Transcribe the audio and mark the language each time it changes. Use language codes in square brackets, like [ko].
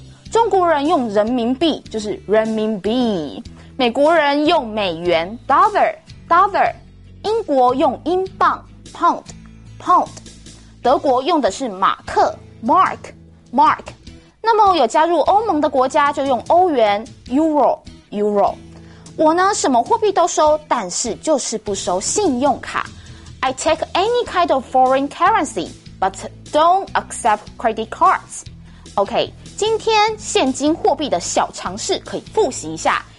[zh] 中国人用人民币就是人民币，美国人用美元 dollar dollar， 英国用英镑 pound pound， 德国用的是马克 mark mark。那么有加入欧盟的国家就用欧元 euro euro。我呢什么货币都收，但是就是不收信用卡。 [en] I take any kind of foreign currency, but don't accept credit cards. [zh] OK， 今天现金货币的小常识可以复习一下。